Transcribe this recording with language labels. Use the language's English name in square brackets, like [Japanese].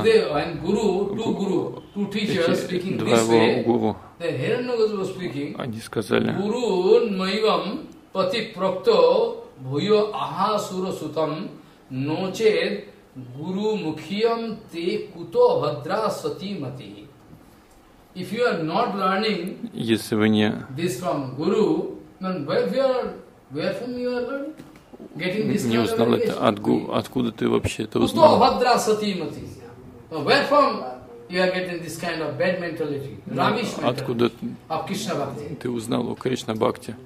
[Russian] два его гуру, они сказали, [Sanskrit] Гуру Найвам Пати Практо Бхуйо Аха Сура Сутам Ночет Гуру Мухьям Те Куто Бхадра Сати Мати. [English] If you are not learning this from Guru, then where from you are learning? [Russian] Не узнал это. Откуда ты вообще это узнал? [Sanskrit] Куто бхадра сати мати. [English] Where from you are getting this kind of bad mentality? [Russian] Откуда ты узнал о Кришна Бхакти?